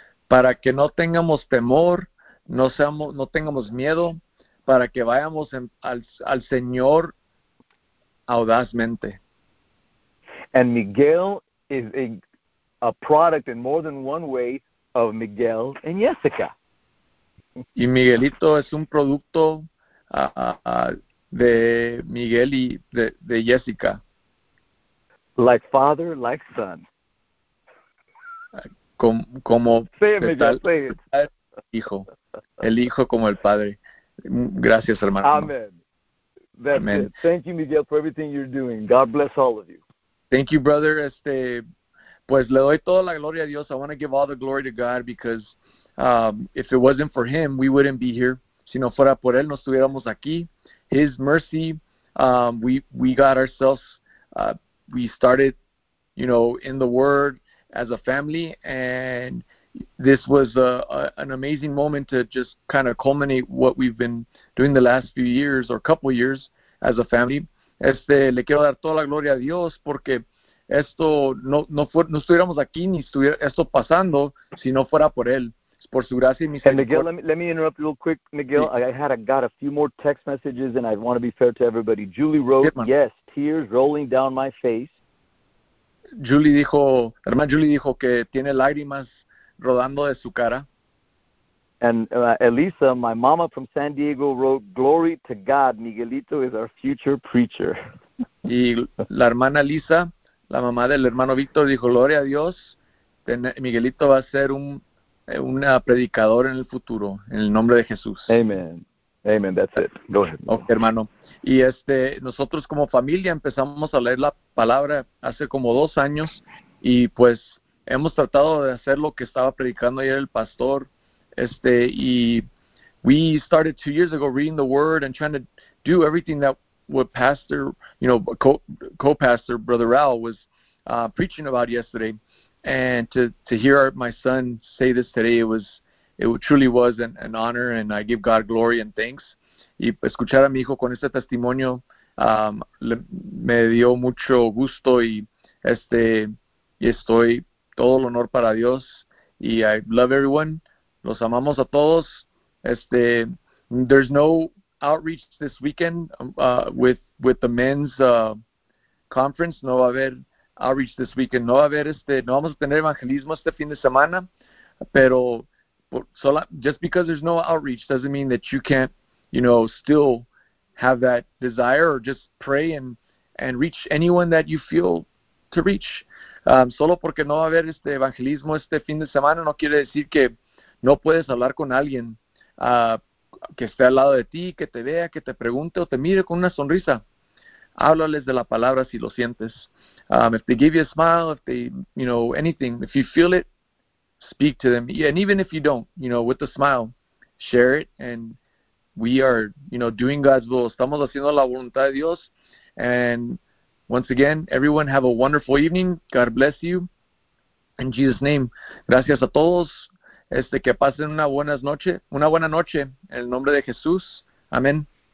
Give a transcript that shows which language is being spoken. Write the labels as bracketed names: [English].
[Spanish] Para que no tengamos temor, no tengamos miedo, para que vayamos al Señor audazmente. [English] And Miguel is a product in more than one way of Miguel and Jessica. [Spanish] Y Miguelito es un producto de Miguel y de Jessica. [English] Like father, like son. [Spanish] Como [English] say it, Miguel, say it. [Spanish] Hijo. El hijo como el padre. Gracias, hermano. [English] Amen. That's Amen. It. Thank you, Miguel, for everything you're doing. God bless all of you. Thank you, brother. [Spanish] Pues le doy toda la gloria a Dios. [English] I want to give all the glory to God because if it wasn't for him, we wouldn't be here. [Spanish] Si no fuera por él, no estuviéramos aquí. [English] His mercy, we got ourselves, we started, you know, in the Word as a family. And this was an amazing moment to just kind of culminate what we've been doing the last few years or couple years as a family. [Spanish] Le quiero dar toda la gloria a Dios porque esto no estuviéramos aquí ni estuviera esto pasando si no fuera por él, por su gracia y misericordia. [English] And Miguel, let me interrupt real quick, Miguel. Yeah. I got a few more text messages and I want to be fair to everybody. Julie wrote, yes, tears rolling down my face. [Spanish] Julie dijo, hermana Julie dijo que tiene lágrimas rodando de su cara. [English] And Elisa, my mama from San Diego, wrote, glory to God, Miguelito is our future preacher. [Spanish] Y la hermana Elisa, la mamá del hermano Víctor, dijo, gloria a Dios, Miguelito va a ser un predicador en el futuro, en el nombre de Jesús. [English] Amen. Amen, that's it. Go ahead. [Spanish] Okay, hermano. Y nosotros como familia empezamos a leer la palabra hace como 2 años, y pues hemos tratado de hacer lo que estaba predicando ayer el pastor. [English] Y we started 2 years ago reading the Word and trying to do everything that what Pastor, you know, co-pastor, Brother Raul was preaching about yesterday. And to hear my son say this today, it truly was an honor, and I give God glory and thanks. [Spanish] Y escuchar a mi hijo con este testimonio me dio mucho gusto, y estoy todo el honor para Dios. Y [English] I love everyone. [Spanish] Los amamos a todos. [English] There's no outreach this weekend with the men's conference. [Spanish] No va a haber outreach [English] this weekend. [Spanish] No va a haber no vamos a tener evangelismo este fin de semana. [English] Pero just because there's no outreach doesn't mean that you can't, you know, still have that desire or just pray and reach anyone that you feel to reach. [Spanish] Solo porque no va a haber evangelismo este fin de semana no quiere decir que no puedes hablar con alguien que esté al lado de ti, que te vea, que te pregunte o te mire con una sonrisa. Háblales de la palabra si lo sientes. [English] If they give you a smile, if they, you know, anything, if you feel it, speak to them. And even if you don't, you know, with a smile, share it. And we are, you know, doing God's will. [Spanish] Estamos haciendo la voluntad de Dios. [English] And once again, everyone have a wonderful evening. God bless you. In Jesus' name, [Spanish] gracias a todos. Que pasen una buena noche en el nombre de Jesús. Amén.